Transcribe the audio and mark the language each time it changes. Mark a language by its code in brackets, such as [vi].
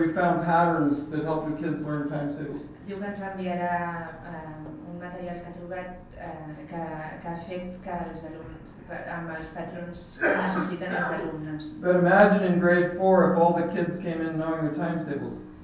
[en] We found patterns that help the kids learn times tables. [ca] Diu que ens enviarà un material que ha trobat que ha fet que els alumnes, amb els patrons que necessiten els alumnes. [en] But imagine in grade 4 if all the kids came in knowing their times tables.